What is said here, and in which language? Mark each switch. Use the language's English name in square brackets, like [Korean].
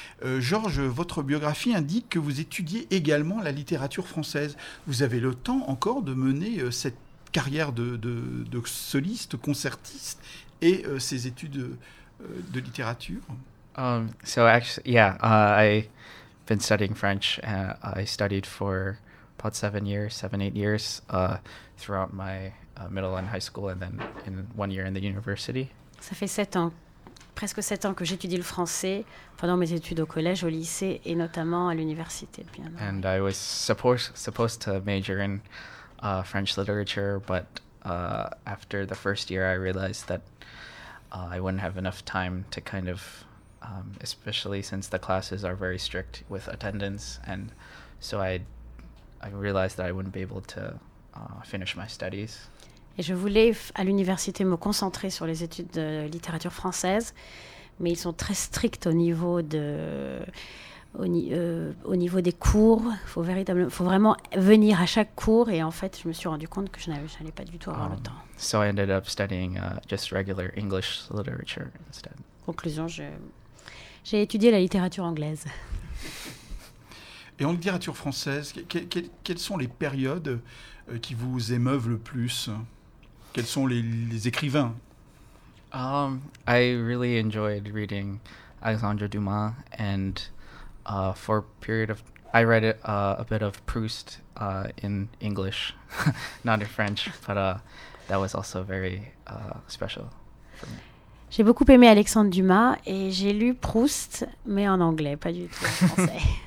[French] Georges, votre biographie indique que vous étudiez également la littérature française. Vous avez le temps encore de mener cette carrière de soliste, concertiste, et ces études de littérature. [English] I've been studying French. I studied for about seven, eight years, throughout my middle and high school, and then in one year in the university. [French] Ça fait sept ans, presque sept ans que j'étudie le français pendant mes études au collège, au lycée et notamment à l'université. [English] And I was supposed to major in French literature, but after the first year, I realized that I wouldn't have enough time to kind of, especially since the classes are very strict with attendance, and so I realized that I wouldn't be able to finish my studies. [French] Et je voulais à l'université me concentrer sur les études de littérature française, mais ils sont très stricts au niveau des cours. Il faut vraiment venir à chaque cours, et en fait, je me suis rendu compte que je n'allais pas du tout avoir le temps. [English] So I ended up studying just regular English literature instead. [French] Conclusion, j'ai étudié la littérature anglaise. Et en littérature française, quelles sont les périodes qui vous émeuvent le plus? Quels sont les écrivains? [English] I really enjoyed reading Alexandre Dumas, and for a period of, I read a bit of Proust in English, not in French, but that was also very special for me. [French] J'ai beaucoup aimé Alexandre Dumas et j'ai lu Proust, mais en anglais, pas du tout en français.